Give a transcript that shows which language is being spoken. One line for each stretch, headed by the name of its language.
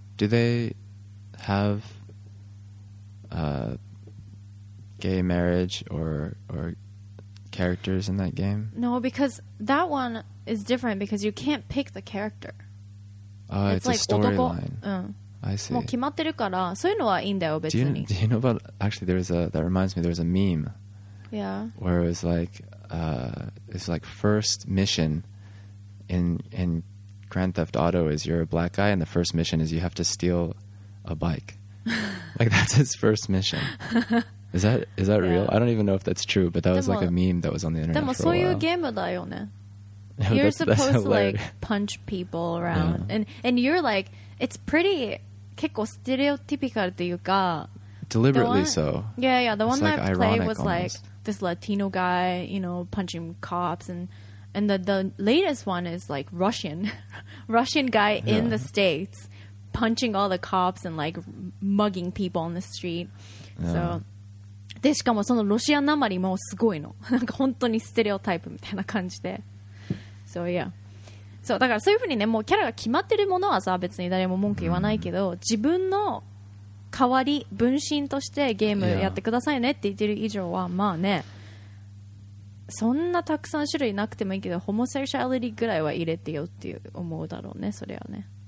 English: Do they have gay marriage or characters in that game? No, because that one is different because you can't pick the character. It's like a storyline. I see.
Japanese: もう決まってるから、そういうのはいいんだよ別に。
English: Do you know about, actually there was a, that reminds me, there was a meme. Yeah. Where it was like, it's like first mission in Grand Theft Auto is you're a black guy and the first mission is you have to steal a bike. Like that's his first mission. Is that yeah. real? I don't even know if that's true, but that was like a meme that was on the internet.
Japanese: でもそういうゲームだよね。
English: You're supposed to like punch people around, and you're like, it's pretty
Japanese: 結構
English: stereotypical
Japanese: というか
English: deliberately so. Yeah. The one that I played was like this Latino guy, you know, punching cops, and the latest one is like Russian guy in the States. Punching all the cops and like mugging people on the street.
Japanese: So, でしかもそのロシアなまりもすごいの。なんか本当にステレオタイプみたいな感じで。
English: So yeah.
Japanese: So だからそういう風にね、もうキャラが決まってるものはさ、別に誰も文句言わないけど、自分の代わり分身としてゲームやってくださいねって言ってる以上は、まあね、そんなたくさん種類なくてもいいけど、ホモセクシャリティぐらいは入れてよっていう思うだろうね、それはね。